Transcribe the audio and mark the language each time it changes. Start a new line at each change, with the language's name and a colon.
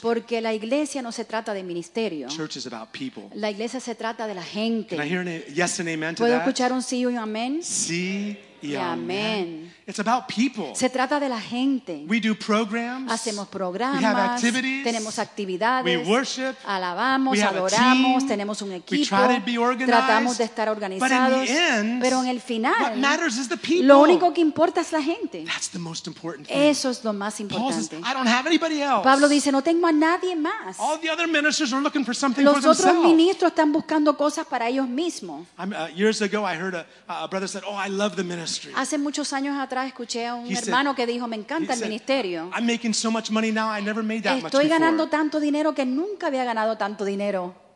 Spanish: Porque la iglesia no se trata de ministerio.
English: Church is about people.
Spanish: La iglesia se trata de la gente.
English: Can I hear a yes and amen to
Spanish: ¿Puedo
English: that?
Spanish: Escuchar un sí y un amén? Sí. Yeah, amen.
English: It's about people.
Spanish: Se trata de la gente.
English: We do programs.
Spanish: Hacemos programas.
English: We have activities.
Spanish: Tenemos actividades.
English: We worship.
Spanish: Alabamos.
English: We have
Spanish: adoramos.
English: A team.
Spanish: Tenemos un equipo.
English: We try to be organized.
Spanish: Tratamos de estar organizados.
English: But in the end,
Spanish: pero en el final,
English: what matters is the people.
Spanish: Lo único que importa es la gente.
English: That's the most important thing.
Spanish: Eso es lo más importante.
English: Paul says, I don't have anybody else.
Spanish: Pablo dice, no tengo a nadie más.
English: All the other ministers are looking for something
Spanish: Los
English: for themselves.
Spanish: Los otros ministros están buscando cosas para ellos mismos.
English: Years ago, I heard a brother said, "Oh, I love the ministry."
Spanish: Hace muchos años atrás escuché a un hermano que dijo, me encanta el ministerio. Estoy ganando tanto dinero que nunca había ganado tanto dinero.